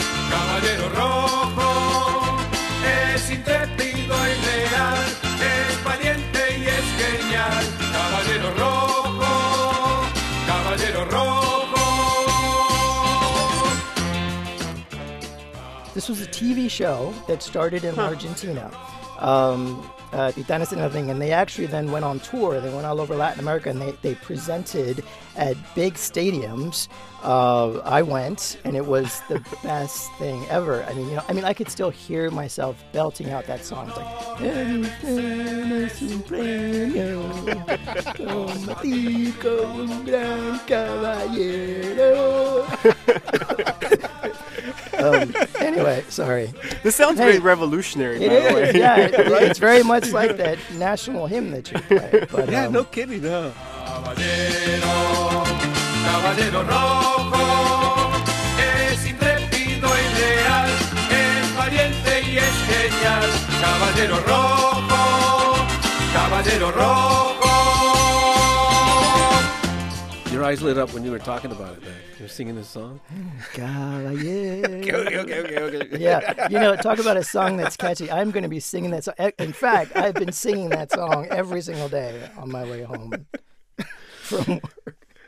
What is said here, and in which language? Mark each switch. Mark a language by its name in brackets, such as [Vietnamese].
[Spanish] Caballero rojo, es intrépido y leal, es valiente y es genial. Caballero rojo, caballero rojo. [English] This was a TV show that started in Argentina. Titanes en el Ring, and they actually then went on tour. They went all over Latin America, and they presented at big stadiums. I went, and it was the best thing ever. I mean, you know, I mean, I could still hear myself belting out that song. It's like, everything is supremo, como tico, un gran caballero. anyway, sorry. This sounds very revolutionary, it by is. The way. Yeah, right? It's very much like that national hymn that you play. But, no kidding, though. [Spanish] Caballero, caballero rojo, es intrépido y leal, es valiente y es genial. Caballero rojo, caballero rojo. [English] Your eyes lit up when you were talking about it, man. You're singing this song? Caballero. Okay. Yeah. You know, talk about a song that's catchy. I'm going to be singing that song. In fact, I've been singing that song every single day on my way home from work.